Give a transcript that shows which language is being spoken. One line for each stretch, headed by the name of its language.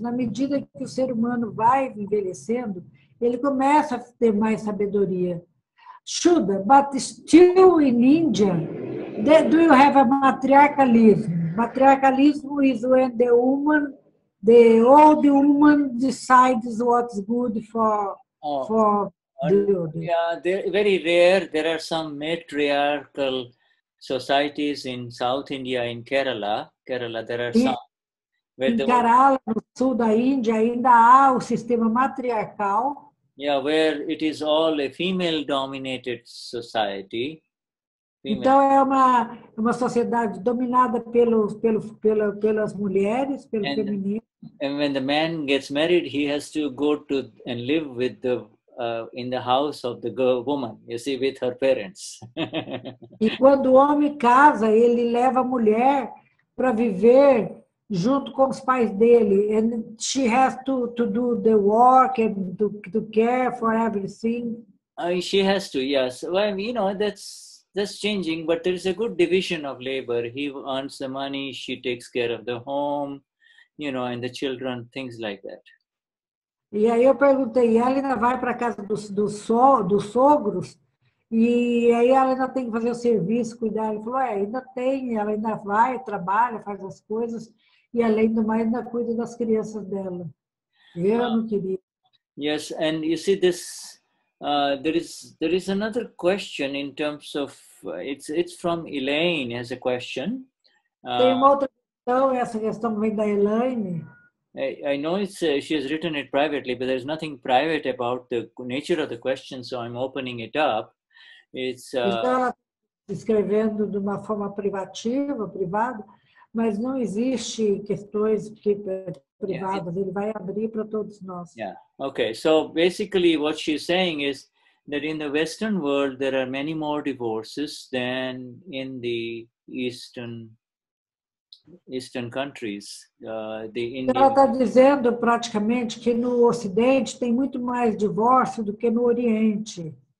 Portuguese: Na medida que o ser humano vai envelhecendo, ele começa a ter mais sabedoria.
English: Shuddha, but still in India, do you have a matriarchalism? Matriarchalism is when the old woman decides what's good for the elder. Yeah, very rare. There are some matriarchal societies in South India, in Kerala, there are some.
Portuguese: In Kerala, no sul da Índia, ainda há o sistema matriarcal.
English: Yeah, where it is all a female-dominated society.
Portuguese: Então é uma sociedade dominada pelas mulheres, pelo feminino.
English: And when the man gets married, he has to go to and live with the in the house of the girl, woman, you see, with her parents.
Portuguese: E quando o homem casa, ele leva a mulher para viver junto com os pais dele.
English: And she has to do the work and to care for everything. She has to, yes. Well, I mean, you know, that's changing, but there is a good division of labor. He earns the money, she takes care of the home, you know, and the children, things like that.
Portuguese: E aí eu perguntei, ela ainda vai para casa dos sogros? E aí ela ainda tem que fazer o serviço, cuidar. Ele falou, ainda tem, ela ainda vai, trabalha, faz as coisas. E além do mais, ainda cuida das crianças dela. Eu não queria.
English: Yes, and you see this, there is another question in terms of, it's from Elaine as a question.
Portuguese: Tem uma outra questão, essa questão vem da Elaine.
English: I know it's, she has written it privately, but there's nothing private about the nature of the question, so I'm opening it up. It's,
Portuguese: então ela está escrevendo de uma forma privativa, privada, mas não existe questões privadas, ele vai abrir para todos nós.
English: Yeah, okay. So basically what she's saying is that in the Western world there are many more divorces than in the Eastern countries, the Indian.
Portuguese: Ela está dizendo praticamente que no Ocidente tem muito mais divórcio do que no Oriente.